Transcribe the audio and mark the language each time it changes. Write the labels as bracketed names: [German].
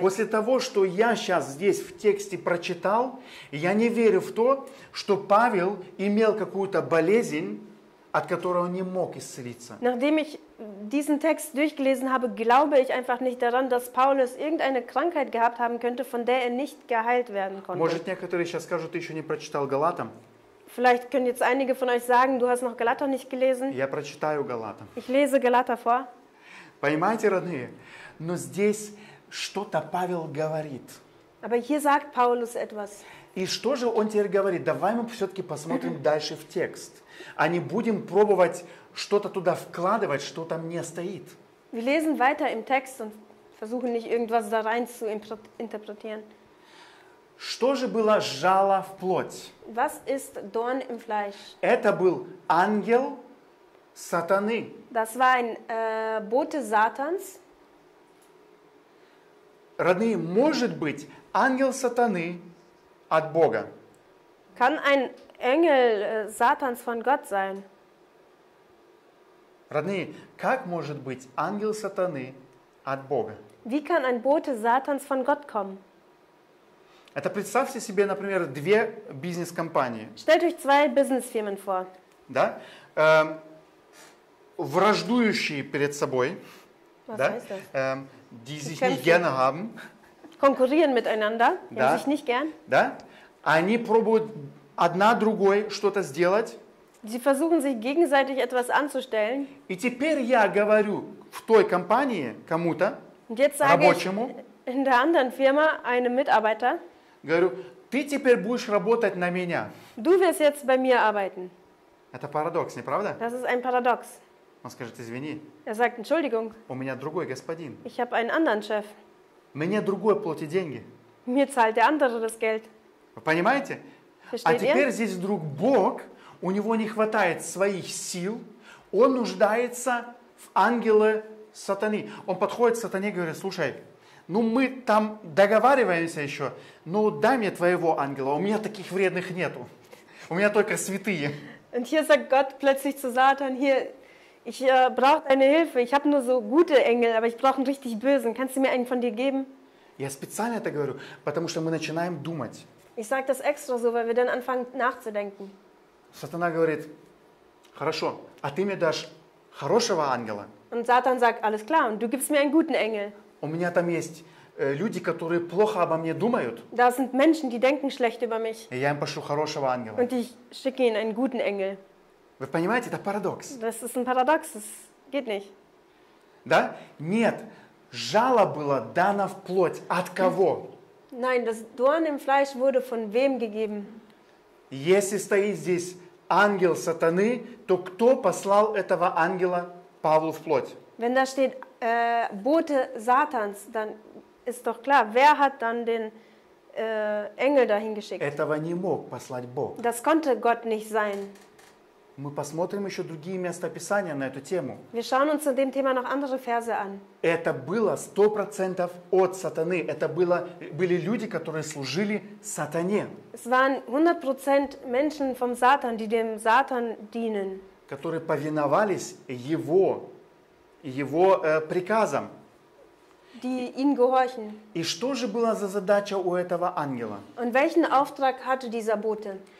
[Russian] После того, что я сейчас здесь в тексте прочитал, я не верю в то, что Павел имел какую-то болезнь, от которой он не мог исцелиться. [German] Nachdem ich diesen Text durchgelesen habe, glaube ich einfach nicht daran, dass Paulus irgendeine Krankheit gehabt haben könnte, von der er nicht geheilt werden konnte. [Russian] Может, некоторые сейчас скажут, ты еще не прочитал Галатам? [German] Vielleicht können jetzt einige von euch sagen, du hast noch Galater nicht gelesen. [Russian] Я прочитаю Галатам. [German] Ich lese Galater vor. [Russian] Понимаете, родные? Но здесь что-то Павел говорит. [German] Aber hier sagt Paulus etwas. [Russian] И что же он теперь говорит? Давай мы все-таки посмотрим дальше в текст. А не будем пробовать что-то туда вкладывать, что там не стоит. [German] Wir lesen weiter im Text und versuchen nicht irgendwas da rein zu interpretieren. [Russian] Что же было жало в плоть? [German] Was ist Dorn im Fleisch? [Russian] Это был ангел, Satany. [German] Das war ein Bote Satans. [Russian] Родные, может быть, ангел сатаны от Бога? [German] Kann ein Engel Satans von Gott sein? [Russian] Родные, как может быть ангел сатаны от Бога? [German] Wie kann ein Bote Satans von Gott kommen? [Russian] Это представьте себе, например, две бизнес-компании. [German] Stellt euch zwei Businessfirmen vor. [Russian] Да? Враждующие перед собой. [German] Was да? Heißt das? Die sich nicht gerne haben. Konkurrieren miteinander. [Russian] Да? [German] Die sich nicht gern. [Russian] Да? Они пробуют одна другой что-то сделать. [German] Sie versuchen sich gegenseitig etwas anzustellen. [Russian] И теперь я говорю в той компании кому-то, [German] und jetzt sage [Russian] рабочему, [German] ich in der anderen Firma einem Mitarbeiter, [Russian] говорю, ты теперь будешь работать на меня. [German] Du wirst jetzt bei mir arbeiten. [Russian] Это парадокс, не правда? [German] Das ist ein Paradox. [Russian] Он скажет, извини. [German] Er sagt, Entschuldigung. [Russian] У меня другой господин. [German] Ich habe einen anderen Chef. [Russian] Мне другой платит деньги. [German] Mir zahlt der andere das Geld. [Russian] Вы понимаете? [German] Versteht [Russian] а теперь [German] ihr? [Russian] Здесь вдруг Бог, у него не хватает своих сил, он нуждается в ангеле сатаны. Он подходит к сатане и говорит, слушай, ну мы там договариваемся еще, но дай мне твоего ангела, у меня таких вредных нету. У меня только святые. [German] Und hier sagt Gott plötzlich zu Satan, hier, ich brauche deine Hilfe, ich habe nur so gute Engel, aber ich brauche einen richtig bösen. Kannst du mir einen von dir geben? [Russian] Я специально это говорю, потому что мы начинаем думать. [German] Ich sage das extra so, weil wir dann anfangen nachzudenken. [Russian] Сатана говорит, хорошо, а ты мне дашь хорошего ангела? [German] Und Satan sagt, alles klar, und du gibst mir einen guten Engel. [Russian] У меня там есть люди, которые плохо обо мне думают. [German] Da sind Menschen, die denken schlecht über mich. [Russian] Я им пошлю хорошего ангела. [German] Und ich schicke ihnen einen guten Engel. [Russian] Вы понимаете, это парадокс. [German] Das ist ein Paradox, das geht nicht. [Russian] Да? Нет, жало было дано в плоть. От кого? [German] Nein, das Dorn im Fleisch wurde von wem gegeben? [Russian] Если стоит здесь ангел сатаны, то кто послал этого ангела Павлу в плоть? [German] Wenn da steht Bote Satans, dann ist doch klar, wer hat dann den Engel dahin geschickt? [Russian] Этого не мог послать Бог. [German] Das konnte Gott nicht sein. [Russian] Мы посмотрим еще другие места Писания на эту тему. [German] Wir schauen uns zu dem Thema noch andere Verse an. [Russian] Это было 100% от сатаны. Это было, были люди, которые служили сатане. [German] Es waren 100% Menschen vom Satan, die dem Satan dienen. [Russian] Которые повиновались его, его приказам. [German] Die ihn gehorchen. [Russian] И что же была за задача у этого ангела? [German] Und welchen Auftrag hatte dieser Bote?